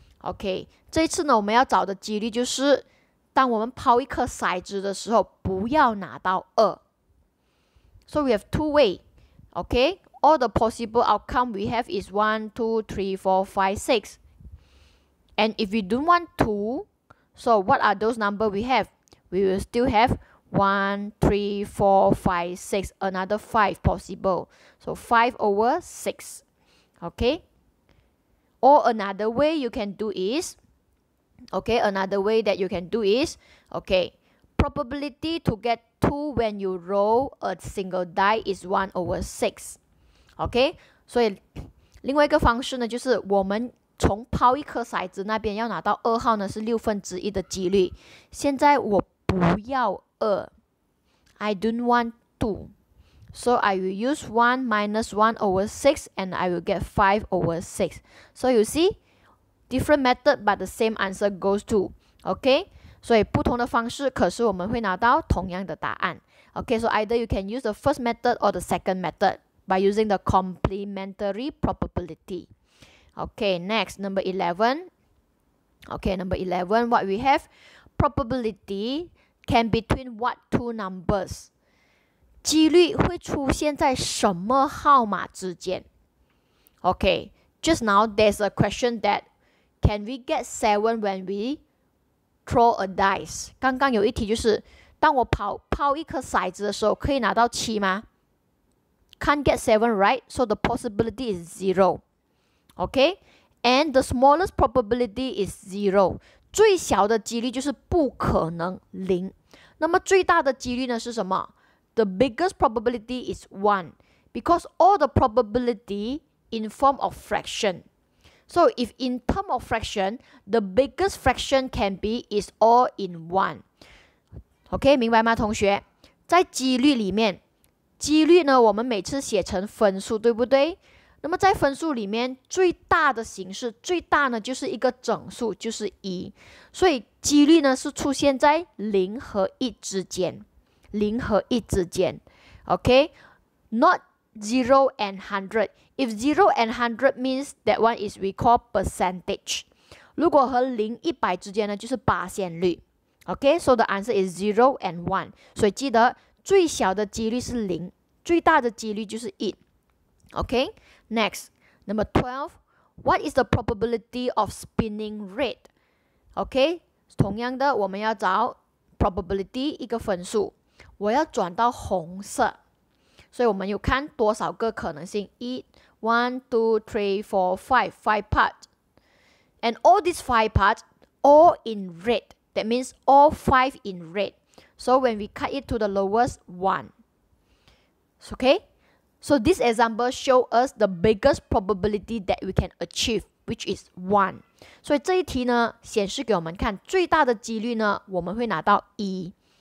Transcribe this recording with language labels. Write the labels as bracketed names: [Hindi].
[Chinese] Okay, 这一次呢，我们要找的几率就是，当我们抛一颗骰子的时候，不要拿到二。 [English] So we have two way. Okay, all the possible outcome we have is 1, 2, 3, 4, 5, 6. And if we don't want 2, so what are those numbers we have? We will still have... 1, 3, 4, 5, 6, another 5 possible. So 5 over 6. Okay. Or another way you can do is, okay, another way that you can do is, okay, probability to get 2 when you roll a single die is 1 over 6. Okay. [Chinese] 所以另外一个方式呢，就是我们从抛一颗骰子那边要拿到2号呢，是六分之一的几率。现在我不要 [English] I don't want 2. So I will use 1 minus 1 over 6 and I will get 5 over 6. So you see, different method but the same answer goes to. Okay? [Chinese] 所以不同的方式可是我们会拿到同样的答案。 [English] Okay, so either you can use the first method or the second method by using the complementary probability. Okay, next, number 11. Okay, number 11, what we have? Probability... can between what two numbers? [Chinese] 几率会出现在什么号码之间? [English] Okay, just now there's a question that can we get 7 when we throw a dice? [Chinese] 刚刚有一题就是当我抛一颗骰子的时候可以拿到七吗? [English] Can't get 7, right? So the possibility is 0. Okay, and the smallest probability is 0. [Chinese] 最小的几率就是不可能零。那么最大的几率呢是什么 ？ [English] The biggest probability is 1, because all the probability in form of fraction. So if in term of fraction, the biggest fraction can be is all in 1. [Chinese] Okay, 明白吗，同学？在几率里面，几率呢，我们每次写成分数，对不对？那么在分数里面，最大的形式，最大呢就是一个整数，就是一。所以几率呢是出现在零和一之间，零和一之间。 [English] Okay, not 0 and 100. If 0 and 100 means that one is we call percentage. [Chinese] 如果和零一百之间呢，就是%率。 [English] Okay, so the answer is 0 and 1. [Chinese] 所以记得最小的几率是零，最大的几率就是一。 [English] Okay. Next, number 12, what is the probability of spinning red? [Chinese] Okay, 同样的，我们要找 probability 一个分数，我要转到红色，所以我们有看多少个可能性 [English] 1, 2, 3, 4, 5 parts. And all these 5 parts, all in red. That means all 5 in red. So when we cut it to the lowest 1, okay? So this example show us the biggest probability that we can achieve, which is 1. [Chinese] 所以这一题呢，显示给我们看最大的几率呢，我们会拿到一。